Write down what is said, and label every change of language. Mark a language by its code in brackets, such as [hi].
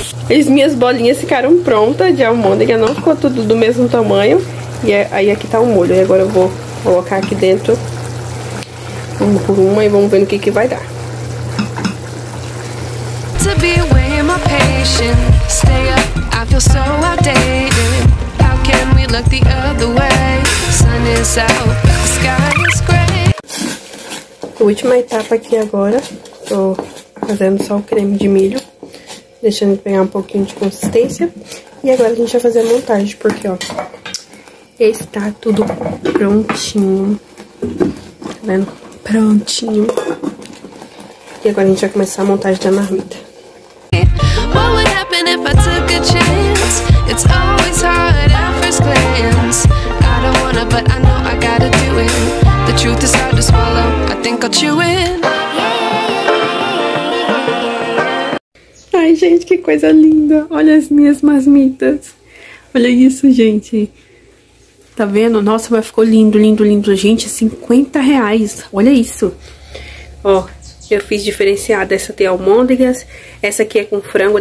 [pt] As minhas bolinhas ficaram prontas de almôndega, não ficou tudo do mesmo tamanho. E aí aqui tá o molho. E agora eu vou colocar aqui dentro uma por uma e vamos ver o que que vai dar. [en] To be away in my patience, stay up, I feel so outdated. How can we look the other way? Sun is out, the sky is gray. [pt] Última etapa aqui agora, tô fazendo só o creme de milho, deixando ele pegar um pouquinho de consistência. E agora a gente vai fazer a montagem, porque ó, está tudo prontinho. Tá vendo? Prontinho. E agora a gente vai começar a montagem da marmita. [en] What would happen if I took a chance? It's always hard at first glance. I don't wanna, but I know I gotta do it. The truth is hard to swallow. I think I'll chew it. [pt] Ai, gente, que coisa linda. Olha as minhas marmitas. Olha isso, gente. Tá vendo? Nossa, mas ficou lindo, lindo, lindo. Gente, R$50. Olha isso. Ó, eu fiz diferenciada. Essa tem almôndegas. Essa aqui é com frango.